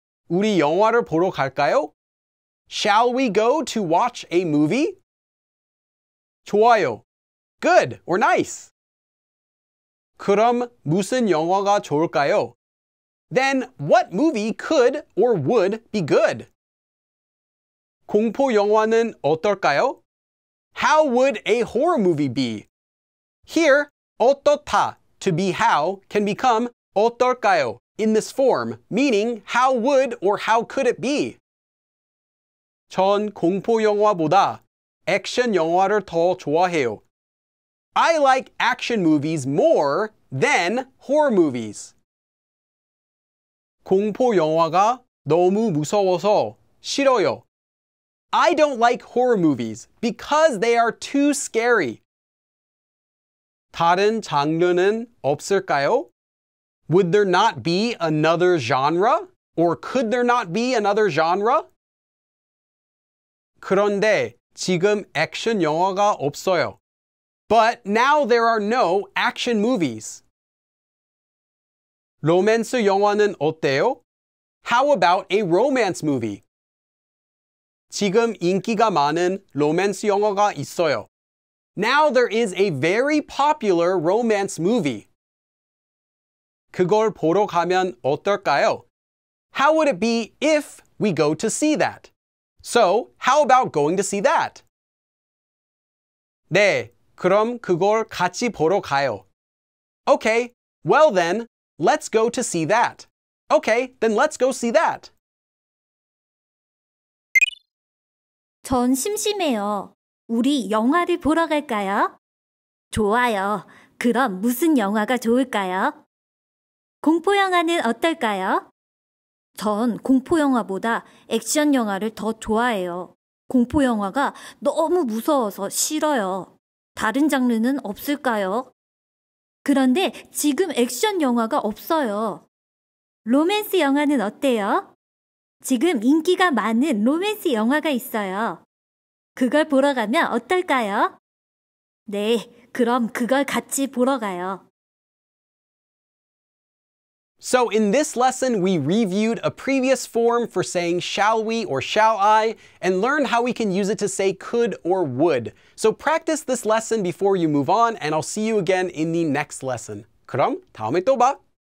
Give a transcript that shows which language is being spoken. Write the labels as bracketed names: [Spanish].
[Korean] 우리 영화를 보러 갈까요? [English] Shall we go to watch a movie? [Korean] 좋아요. [English] Good or nice. [Korean] 그럼 무슨 영화가 좋을까요? [English] Then what movie could or would be good? [Korean] 공포 영화는 어떨까요? [English] How would a horror movie be? Here, 어떻다, to be how, can become 어떨까요 in this form, meaning how would or how could it be? [Korean] 전 공포 영화보다 액션 영화를 더 좋아해요. [English] I like action movies more than horror movies. [Korean] 공포 영화가 너무 무서워서 싫어요. [English] I don't like horror movies because they are too scary. [Korean] 다른 장르는 없을까요? [English] Would there not be another genre? Or could there not be another genre? [Korean] 그런데 지금 액션 영화가 없어요. [English] But now there are no action movies. [Korean] 로맨스 영화는 어때요? [English] How about a romance movie? [Korean] 지금 인기가 많은 로맨스 영화가 있어요. [English] Now there is a very popular romance movie. [Korean] 그걸 보러 가면 어떨까요? [English] How would it be if we go to see that? So, how about going to see that? [Korean] 네, 그럼 그걸 같이 보러 가요. [English] Okay, well then, let's go to see that. Okay, then let's go see that. [Korean] 전 심심해요. 우리 영화를 보러 갈까요? 좋아요. 그럼 무슨 영화가 좋을까요? 공포 영화는 어떨까요? 전 공포 영화보다 액션 영화를 더 좋아해요. 공포 영화가 너무 무서워서 싫어요. 다른 장르는 없을까요? 그런데 지금 액션 영화가 없어요. 로맨스 영화는 어때요? 지금 인기가 많은 로맨스 영화가 있어요. 그걸 보러 가면 어떨까요? 네, 그럼 그걸 같이 보러 가요. [English] So in this lesson, we reviewed a previous form for saying shall we or shall I and learned how we can use it to say could or would. So practice this lesson before you move on and I'll see you again in the next lesson. [Korean] 그럼 다음에 또 봐!